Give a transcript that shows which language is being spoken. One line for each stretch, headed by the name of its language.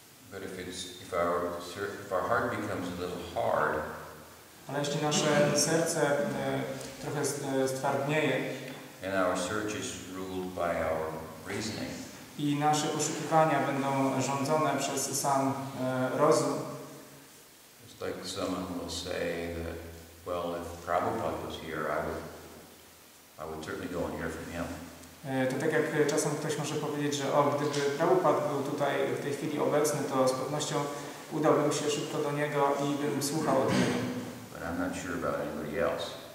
English: But if our heart becomes a little hard,
Polish: ale jeśli nasze serce trochę stwardnieje,
English: and our search is ruled by our reasoning,
Polish: i nasze poszukiwania będą rządzone przez sam rozum.
English: It's like someone will say that, well, if Prabhupada was here, I would certainly go and hear from him.
Polish: To tak jak czasem ktoś może powiedzieć, że o, gdyby Prabhupada był tutaj w tej chwili obecny, to z pewnością udałbym się szybko do niego i bym słuchał od niego.
English: But I'm not sure about anybody else.